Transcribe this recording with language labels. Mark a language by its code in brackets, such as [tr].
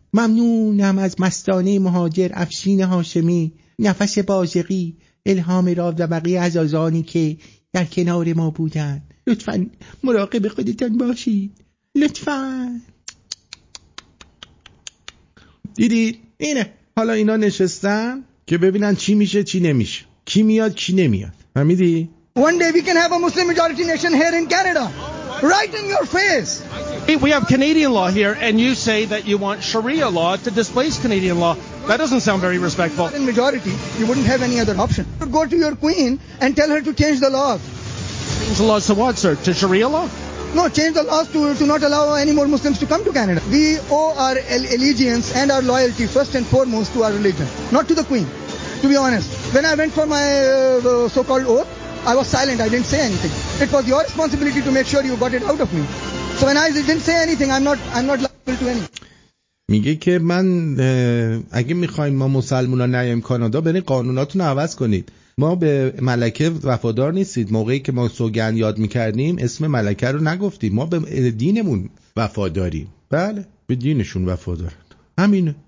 [fa] ممنونم از مستانه مهاجر، افشین هاشمی، نفس بازقی، الهام راد و بقیه عزازانی که در کنار ما بودند. لطفاً مراقب خودتان باشید. لطفاً. دیدید؟ اینه. حالا اینا نشستن که ببینن چی میشه چی نمیشه. کی میاد چی نمیاد. فهمیدی؟ [en] One day we can have a Muslim majority nation here in Canada. Right in your face. We have Canadian law here and you say that you want Sharia law to displace Canadian law. That doesn't sound very respectful. In majority, you wouldn't have any other option. Go to your queen and tell her to change the laws. Change the laws to what, sir? To Sharia law? No, change the laws to not allow any more Muslims to come to Canada. We owe our allegiance and our loyalty first and foremost to our religion, not to the queen, to be honest. When I went for my so-called oath, I was silent. I didn't say anything. It was your responsibility to make sure you got it out of me. So when I didn't say anything, I'm not liable to any. [fa] میگه که من اگه میخواییم ما مسلمونا نیاییم کانادا، برین قانوناتون رو عوض کنید. ما به ملکه وفادار نیستید. موقعی که ما سوگند یاد میکردیم اسم ملکه رو نگفتیم. ما به دینمون وفاداریم. بله، به دینشون وفادارند. همینه.